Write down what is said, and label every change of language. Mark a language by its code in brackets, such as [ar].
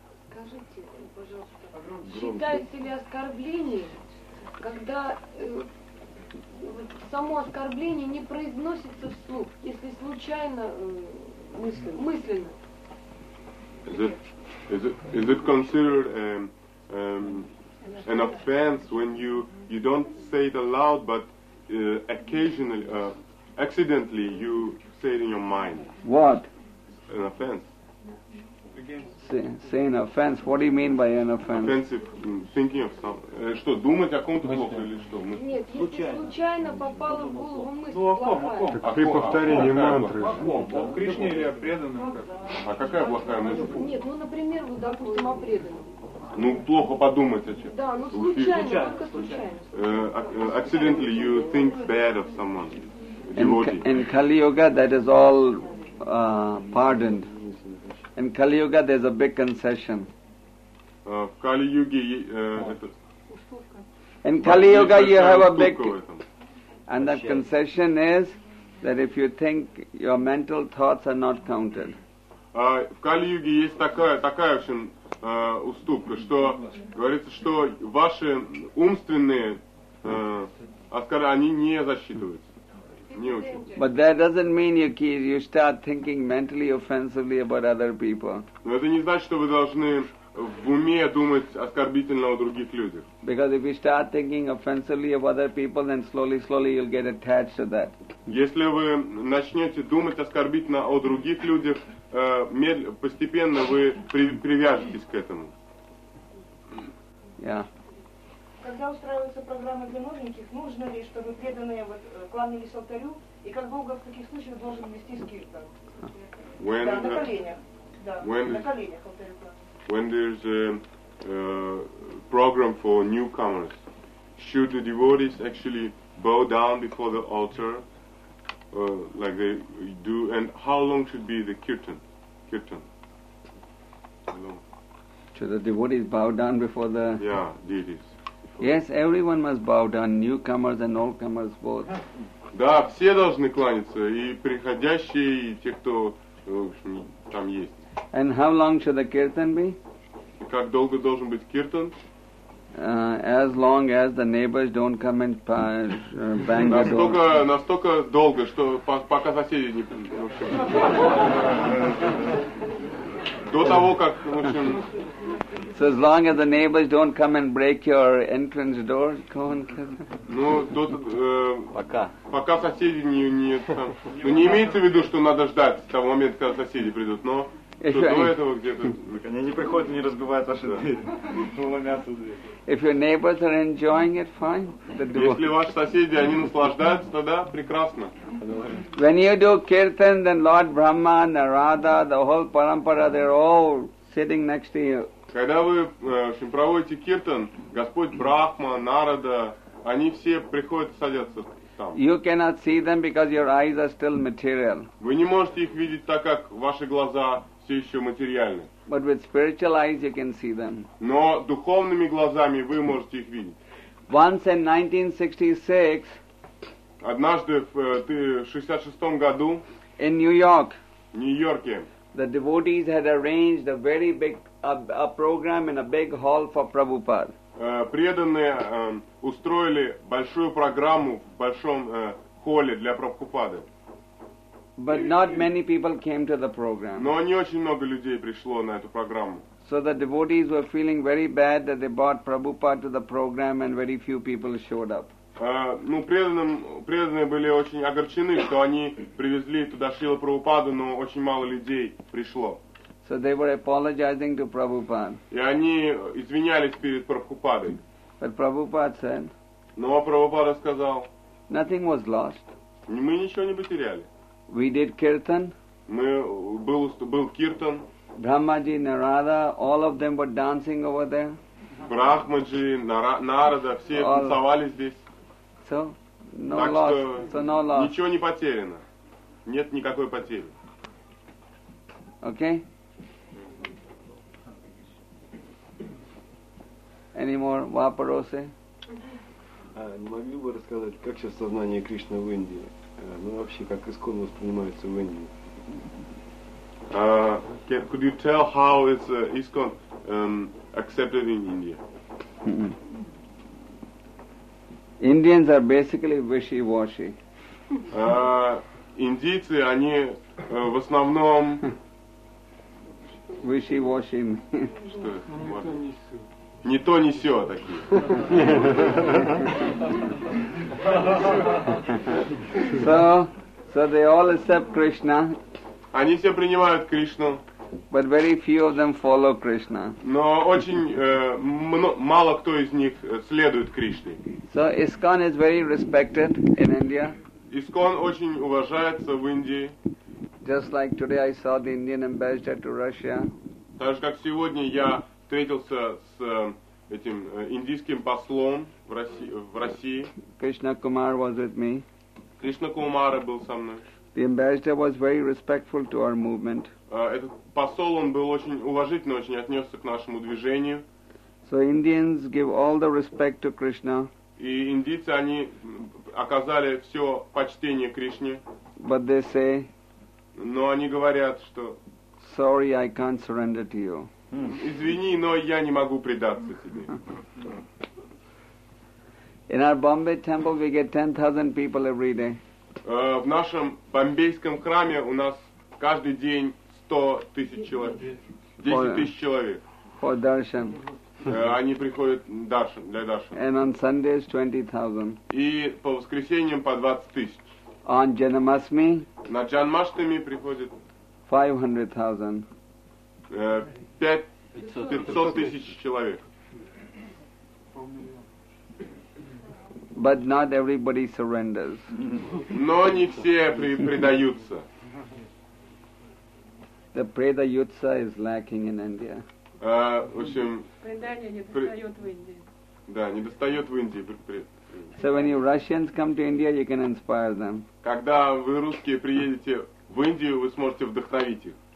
[ru] Скажите, пожалуйста, считаете ли оскорбление, когда само оскорбление не произносится вслух, если случайно мысленно. [en] Is it considered an offense when you don't say it aloud, but occasionally Accidentally, you say it in your mind. What? An offense. Say an offense. What do you mean by an offense? Offensive, thinking of something. [ru] Что, думать о ком-то плохо или что? Нет, если случайно попало в голову мысль плохая. При повторении мантры. О Кришне или о преданном? А какая плохая мысль? Нет, ну, например, вот, допустим, о преданном. Ну, плохо подумать о чем. Да, ну, случайно, только случайно. [en] Accidentally, you think bad of someone. In Kali Yuga, that is all pardoned. In Kali Yuga, there's a big concession. Kali Yuga, in Kali Yuga, you have a big, and that concession is that if you think your mental thoughts are not counted. [ru] В Кали Юге есть такая, в общем, уступка, что говорится, что ваши умственные они не засчитываются. [en] But that doesn't mean you start thinking mentally offensively about other people. [ru] Но это не значит, что вы должны в уме думать оскорбительно о других людях. [en] Because if you start thinking offensively of other people, then slowly you'll get attached to that. [ru] Если вы начнете думать оскорбительно о других людях, постепенно вы привяжетесь к этому. [en] Yeah. [ru] Когда устраиваются программы для новеньких, нужно ли, чтобы преданные кланялись алтарю, и как долго в таких случаях должен вести скиртан? [en] When [ru] да, на коленях. Да, на коленях алтарю. [en] When there's a program for newcomers, should the devotees actually bow down before the altar, like they do, and how long should be the kirtan? Should the devotees bow down before the... Yeah, deities. Yes, everyone must bow down, newcomers and oldcomers both. [ru] Да, все должны кланяться, и приходящие, и те, кто, в общем, там есть. [en] And how long should the kirtan be? [ru] Как долго должен быть kirtan? [en] As long as the neighbors don't come and bang the door. [ru] Настолько долго, что пока соседи не... До того, как, в общем... [en] So as long as the neighbors don't come and break your entrance door, go and kill them. [ru] Ну, тут, пока соседи не там. Ну, не имеется в виду, что надо ждать того момента, когда соседи придут, но что до этого где-то... Они не приходят и не разбивают ваши двери. [en] If your neighbors are enjoying it, fine, the door. [ru] Если ваши соседи, они наслаждаются, тогда прекрасно. [en] When you do kirtan, then Lord Brahma, Narada, the whole parampara, they're all sitting next to you. [ru] Когда вы, в общем, проводите киртан, Господь Брахма, Нарада, они все приходят и садятся там. [en] You cannot see them because your eyes are still material. [ru] Вы не можете их видеть, так как ваши глаза все еще материальны. [en] But with spiritual eyes you can see them. [ru] Но духовными глазами вы можете их видеть. [en] Once in 1966, [ru] однажды в 66-м году, [en] in New York, [ru] в Нью-Йорке, [en] the devotees had arranged a very big a program in a big hall for Prabhupada. [ru] Преданные устроили большую программу в большом холле для Прабхупады. [en] But not many people came to the program. [ru] Но не очень много людей пришло на эту программу. [en] So the devotees were feeling very bad that they brought Prabhupada to the program and very few people showed up. [ru] Ну, преданные были очень огорчены, что они привезли туда Шрилу Прабхупаду, но очень мало людей пришло. [en] So they were apologizing to Prabhupada. [ru] И они извинялись перед Прабхупадой. [en] But Prabhupada said, [ru] но Прабхупада сказал, [en] nothing was lost. [ru] Мы ничего не потеряли. [en] We did kirtan. [ru] Был киртан. [en] Брахмаджи, Нарада, all of them were dancing over there. [ru] Брахмаджи, Нарада, все [en] all... [ru] танцевали здесь. [en] So no loss. [ru] Ничего не потеряно. Нет никакой потери. [en] Okay? Any more [ru] вопросы? Не могли бы рассказать, как сейчас сознание Кришны в Индии? Ну, вообще, как искон воспринимается в Индии? [en] Could you tell how is искон accepted in India? Indians are basically wishy-washy. [ru] Индийцы, они в основном... [en] Wishy-washy. [ru] Что это? Не то, не сё такие. [en] So, So they all accept Krishna. [ru] Они все принимают Кришну. [en] But very few of them follow Krishna. [ru] Но очень мало кто из них следует Кришне. [en] So ISKCON is very respected in India. [ru] ISKCON очень уважается в Индии. [en] Just like today I saw the Indian ambassador to Russia. [ru] Так же как сегодня я встретился с этим индийским послом в России. [en] Krishna Kumar was with me. [ru] Krishna Kumar был со мной. [en] The ambassador was very respectful to our movement. [ru] Этот посол, он был очень уважительно, очень отнесся к нашему движению. [en] So Indians give all the respect to Krishna. [ru] И индийцы, они оказали все почтение Кришне. [en] But they say, [ru] но они говорят, что [en] sorry, I can't surrender to you. [ru] Извини, но я не могу предаться тебе. [en] In our Bombay temple we get 10,000 people every day. [ru] В нашем бомбейском храме у нас каждый день 100,000 человек. 10,000 человек. [en] For darshan. [ru] Они приходят даршан, для даршан. [en] And on Sundays 20,000. [ru] И по воскресеньям по 20,000. [en] On Janmashtami. [ru] На Джанмаштами приходит [en] 500,000. [ru] 500,000 человек. [en] But not everybody surrenders. [ru] Но не все предаются. [en] The predayutsa is lacking in India. [ru] В общем, предание недостает в Индии. Да, недостает в Индии. [en] So when you Russians come to India, you can inspire them. [ru] Когда вы русские приедете в Индию, вы сможете вдохновить их.